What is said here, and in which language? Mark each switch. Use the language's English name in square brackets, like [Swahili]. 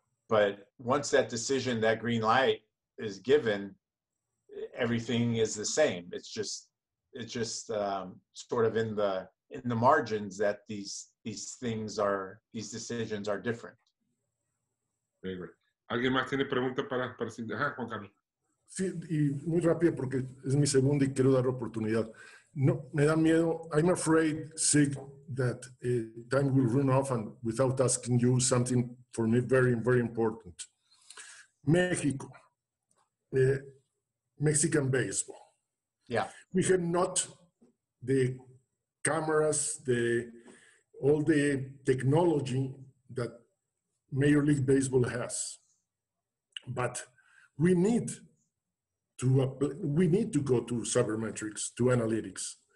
[English] But once that decision, that green light is given, everything is the same. It's just sort of in the margins that these decisions are different. Very good. [Spanish] ¿Alguien más tiene pregunta para Juan Carlos? Sí, y muy rápido porque es mi segunda y quiero dar oportunidad. No, me da miedo. [English] I'm afraid, Sig, that time will run off and without asking you something for me very, very important. Mexico, Mexican baseball. Yeah. We have not the cameras, all the technology that Major League Baseball has, but we need to go to sabermetrics, to analytics.